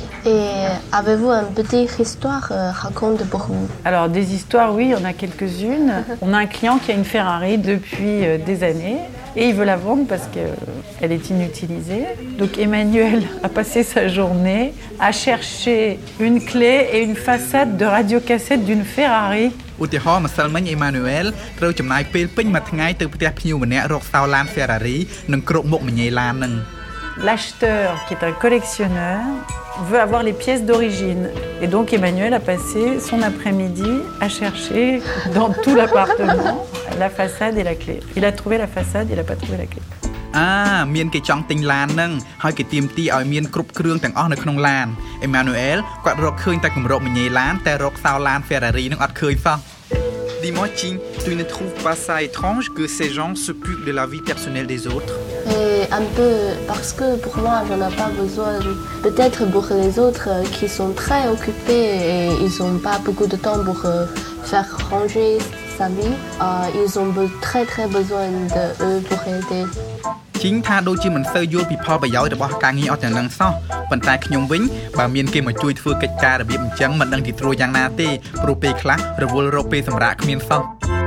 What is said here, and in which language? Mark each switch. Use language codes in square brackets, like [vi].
[fr] Et avez-vous une petite histoire raconte pour vous? Alors des histoires, oui, il y en a quelques-unes. On a un client qui a une Ferrari depuis des années et il veut la vendre parce qu'elle est inutilisée. Donc Emmanuel a passé sa journée à chercher une clé et une façade de radiocassette d'une Ferrari. [km] ឧទាហរណ៍ម្សិលមិញអេម៉ានុអែលត្រូវចំណាយពេលពេញមួយថ្ងៃទៅផ្ទះភ្ញៀវម្នាក់រកសោឡាន Ferrari និងគ្រប់មុខមញ្ញេឡាននឹង [fr] L'acheteur qui est un collectionneur veut avoir les pièces d'origine et donc Emmanuel a passé son après-midi à chercher dans tout l'appartement la façade et la clé. Il a trouvé la façade, il a pas trouvé la clé. [km] អាមានគេចង់ទិញឡាននឹងហើយគេទាមទារឲ្យមានគ្រប់គ្រឿងទាំងអស់នៅក្នុងឡានអេម៉ានូអែលគាត់រកឃើញតែគម្របមញ៉េឡានតែរកសោឡាន Ferrari នឹងអត់ឃើញសោះ [fr] Dis-moi, Ching, tu ne trouves pas ça étrange que ces gens s'occupent de la vie personnelle des autres ? Un peu, parce que pour moi, j'en ai pas besoin. Peut-être pour les autres qui sont très occupés et ils n'ont pas beaucoup de temps pour faire ranger sa vie, ils ont très très besoin d'eux pour aider. [km] ជីងថាដូចជាមិនសូវយល់ពីផលប្រយោជន៍របស់ការងារអត់ទាំងនឹងសោះប៉ុន្តែខ្ញុំវិញបើមានគេមកជួយធ្វើកិច្ចការរបៀបអញ្ចឹងមិនដឹងទីត្រួយយ៉ាងណាទេព្រោះពេលខ្លះរវល់រកពេលសម្រាប់គ្មានសោះ